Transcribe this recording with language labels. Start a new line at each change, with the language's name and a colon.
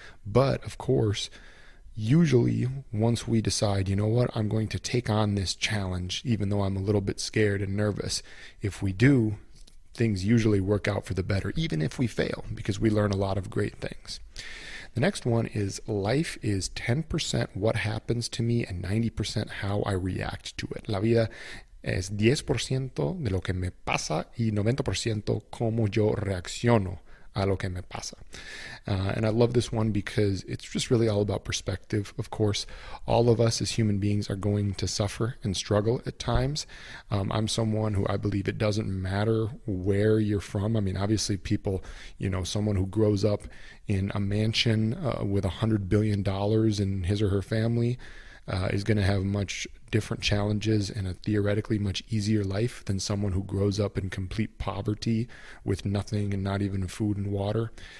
English: But of course, usually once we decide, you know what, I'm going to take on this challenge, even though I'm a little bit scared and nervous, if we do, things usually work out for the better, even if we fail, because we learn a lot of great things. The next one is, life is 10% what happens to me and 90% how I react to it.
Spanish: La vida es 10% de lo que me pasa y 90% cómo yo reacciono a lo que me pasa.
English: And I love this one because it's just really all about perspective. Of course, all of us as human beings are going to suffer and struggle at times. I'm someone who I believe it doesn't matter where you're from. I mean, obviously people, you know, someone who grows up in a mansion with $100 billion in his or her family is going to have much different challenges and a theoretically much easier life than someone who grows up in complete poverty with nothing and not even food and water.